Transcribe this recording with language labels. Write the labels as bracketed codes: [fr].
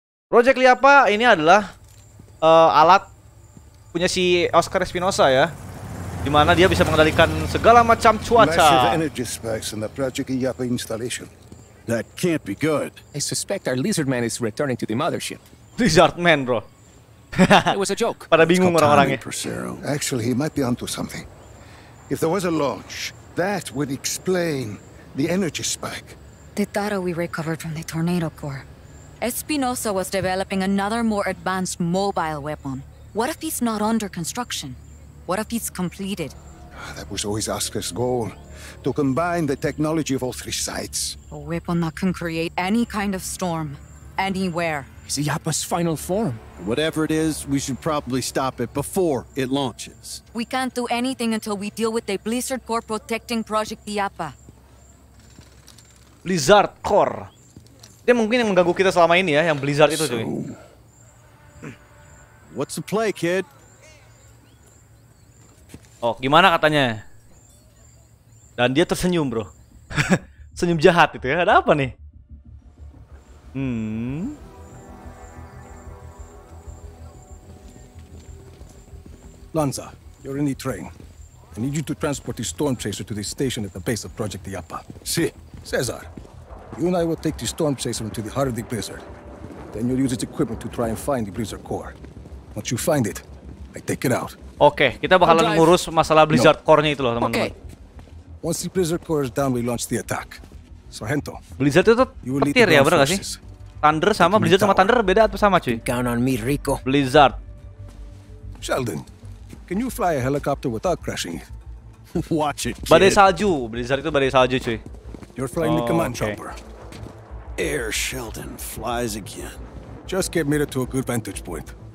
[id] Project Liapa ini adalah alat punya si Oscar Espinosa ya, di mana dia bisa mengendalikan segala macam cuaca. [en] Massive energy spikes in the Project Liapa installation. That can't be good. I suspect our Lizard Man is returning to the mothership. Lizard Man, bro. It was a joke. [id] Pada bingung orang-orangnya. [en] Actually, he might be onto something. If there was a launch, that would explain the energy spike. The data we recovered from the tornado core. Espinosa was developing another more advanced mobile weapon. What if he's not under construction? What if he's completed? That was always Oscar's goal, to combine the technology of all three sites. A weapon that can create any kind of storm, anywhere. It's Yapa's final form. Whatever it is, we should probably stop it before it launches. We can't do anything until we deal with the Blizzard Core protecting Project Yapa. Blizzard Core. [id] Dia mungkin yang mengganggu kita selama ini ya, yang Blizzard itu cuy. [en] What's the play, kid? [id] Oh, gimana katanya? Dan dia tersenyum, bro. Senyum jahat itu ya. Ada apa nih? [en] Lanza, you're in the train. I need you to transport the storm chaser to the station at the base of Project Yapa. [es] Si, Cesar. [en] You and I will take the storm chaser into the heart of the blizzard. Then you'll use its equipment to try and find the blizzard core. Once you find it, I take it out. [id] Oke, okay, kita bakalan ngurus masalah blizzard core-nya itu loh, teman-teman. Okay. [en] Once the blizzard core is down, we launch the attack. Sorrento. [id] Blizzard itu petir ya, benar enggak sih? Thunder sama blizzard sama thunder beda atau sama, cuy? [en] Count on me, Rico. Blizzard. Sheldon, can you fly a helicopter without crashing it? Watch it. [id] Badai salju, blizzard itu badai salju, cuy. [en] You're flying the command chopper. Air Sheldon flies again. Just get Mira to a good vantage point.